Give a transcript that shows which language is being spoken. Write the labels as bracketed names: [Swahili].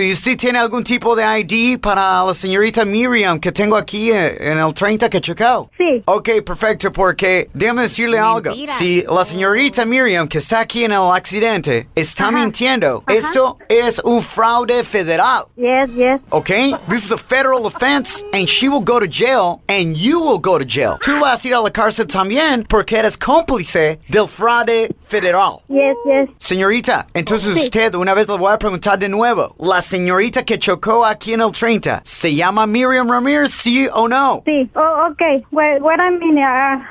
[Spanish] ¿Y usted tiene algún tipo de ID para la señorita Miriam que tengo aquí en el 30 que chocó? Sí. Ok, perfecto, porque déjame decirle algo. Si la señorita Miriam que está aquí en el accidente está mintiendo, esto es un fraude federal. [English] Yes, yes. Ok, this is a federal offense, and she will go to jail, and you will go to jail. [Spanish] Tú vas a ir a la cárcel también porque eres cómplice del fraude federal. [English] Yes, yes. [Spanish] Señorita, entonces usted, una vez le voy a preguntar de nuevo, la señorita que chocó aquí en el 30, ¿se llama Miriam Ramirez, sí o no? Sí. [English] Oh, ok. What I mean,